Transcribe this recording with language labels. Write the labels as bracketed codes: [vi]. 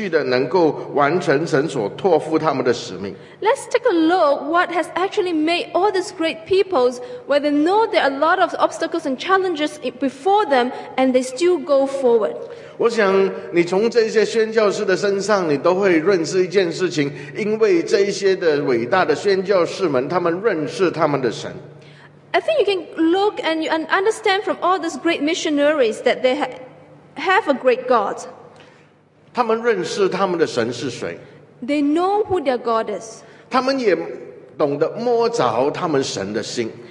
[zh] 这些神所用的仆人，他们能够在这样艰辛困苦的环境当中，他们能够继续的向前走，他们继续的能够完成神所托付他们的使命。 [en] Let's take a look what has actually made all these great peoples, where they know there are a lot of obstacles and challenges before them, and they still go forward. [zh] 我想你从这些宣教士的身上，你都会认识一件事情，因为这些的伟大的宣教士们，他们认识他们的神。 [en] I think you can look and you understand from all these great missionaries that they have a great God. [zh] 他们认识他们的神是谁。 [en] They know who their God is. [zh] 他们也懂得摸着他们神的心。